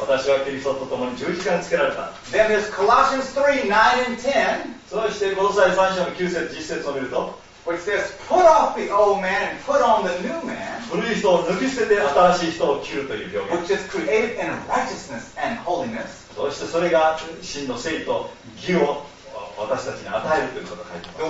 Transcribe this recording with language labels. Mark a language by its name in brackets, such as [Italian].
[Japanese] 私はキリストと共に十字架につけられた。 [English] Then there's Colossians 3:9-10. [Japanese] そしてコロサイ3章の9節、10節を見ると。 [English] Which says, put off the old man and put on the new man. [Japanese] 古い人を抜き捨てて新しい人を着るという表現。 [English] Which is created in righteousness and holiness. [Japanese] そしてそれが真の聖と義を私たちに与えるということが書いてます。